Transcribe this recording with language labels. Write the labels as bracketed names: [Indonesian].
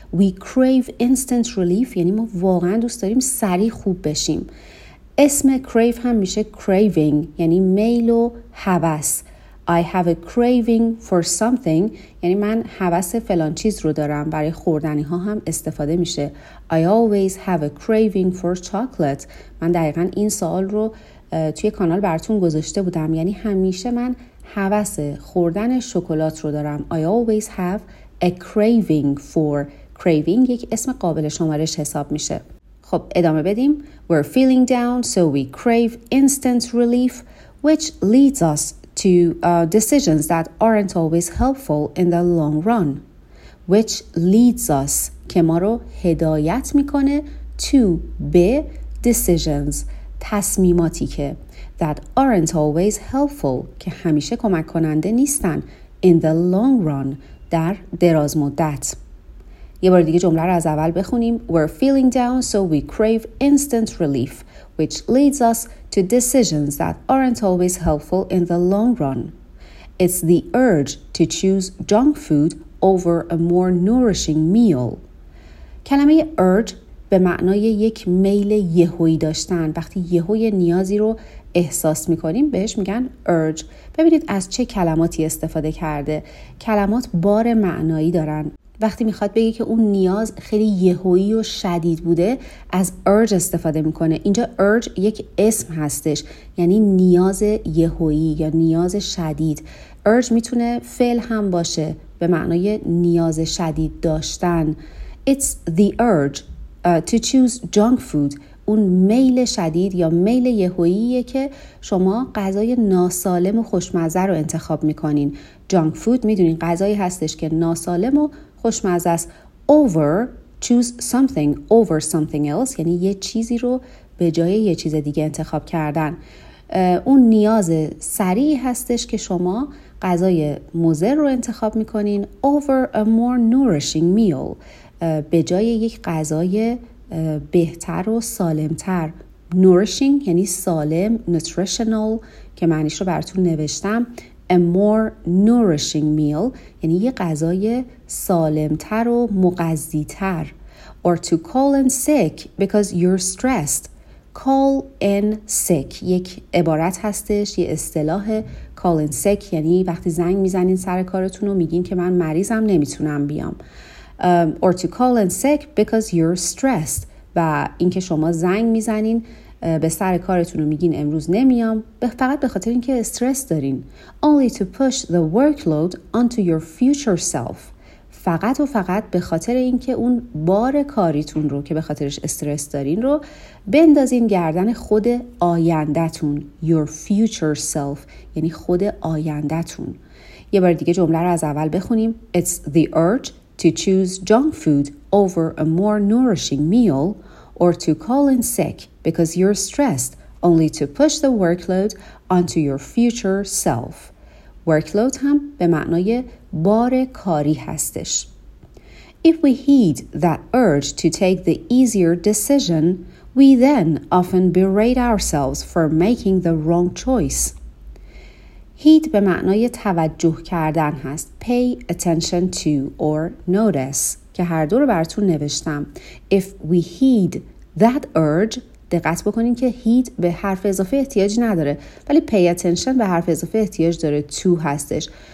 [English] We crave instant relief [Persian] یعنی ما واقعا دوست داریم سریع خوب بشیم. اسم crave هم میشه craving یعنی میل و هوس. [English] I have a craving for something [Persian] یعنی من هوس فلان چیز رو دارم. برای خوردنی ها هم استفاده میشه. [English] I always have a craving for chocolate. [Persian] من دقیقا این سوال رو توی کانال براتون گذاشته بودم، یعنی همیشه من هوس خوردن شکلات رو دارم. [English] I always have a craving for. [Persian] craving یک اسم قابل شمارش حساب میشه. خب ادامه بدیم. [English] We're feeling down so we crave instant relief which leads us to decisions that aren't always helpful in the long run. Which leads us [Persian] که ما رو هدایت میکنه to به decisions، تصمیماتی که [English] that aren't always helpful [Persian] که همیشه کمک کننده نیستن [English] in the long run [Persian] در دراز مدت. یه بار دیگه جمله رو از اول بخونیم. [English] We're feeling down so we crave instant relief which leads us to decisions that aren't always helpful in the long run. It's the urge to choose junk food over a more nourishing meal. [Persian] کلمه urge به معنای یک میل یهویی داشتن. وقتی یهوی نیازی رو احساس میکنیم بهش میگن urge. ببینید از چه کلماتی استفاده کرده. کلمات بار معنایی دارن. وقتی میخواد بگه که اون نیاز خیلی یهویی و شدید بوده از urge استفاده میکنه. اینجا urge یک اسم هستش، یعنی نیاز یهویی یا نیاز شدید. urge میتونه فعل هم باشه به معنای نیاز شدید داشتن. [English] It's the urge to choose junk food. [Persian] اون میل شدید یا میل یهوییه که شما غذای ناسالم و خوشمزه رو انتخاب میکنین. junk food میدونین غذایی هستش که ناسالم و خوشمزه است. [English] over choose something over something else [Persian] یعنی یه چیزی رو به جای یه چیز دیگه انتخاب کردن. اون نیاز سریعی هستش که شما غذای مضر رو انتخاب میکنین [English] over a more nourishing meal [Persian] به جای یک غذای بهتر و سالمتر. nourishing یعنی سالم، nutritional که معنیش رو براتون نوشتم. [English] a more nourishing meal [Persian] یعنی یک غذای سالمتر و مغذی‌تر. [English] or to call in sick because you're stressed. [Persian] call in sick یک عبارت هستش، یه اصطلاح. call in sick یعنی وقتی زنگ میزنین سر کارتون و میگین که من مریضم نمیتونم بیام. [English] Or to call in sick because you're stressed. [Persian] و اینکه شما زنگ میزنین به سر کارتون و میگین امروز نمیام فقط به خاطر اینکه استرس دارین. [English] Only to push the workload onto your future self. [Persian] فقط و فقط به خاطر اینکه اون بار کاریتون رو که به خاطرش استرس دارین رو بندازین گردن خود آیندتون. [English] Your future self [Persian] یعنی خود آیندتون. یه بار دیگه جمله رو از اول بخونیم. [English] It's the urge to choose junk food over a more nourishing meal or to call in sick because you're stressed only to push the workload onto your future self. [Persian] Workload هم به معنای بار کاری هستش. [English] If we heed that urge to take the easier decision, we then often berate ourselves for making the wrong choice. [Persian] Heed به معنای توجه کردن هست. [English] Pay attention to or notice [Persian] که هر دو رو براتون نوشتم. [English] If we heed that urge، [Persian] دقت بکنین که heed به حرف اضافه احتیاج نداره ولی pay attention به حرف اضافه احتیاج داره، to هستش.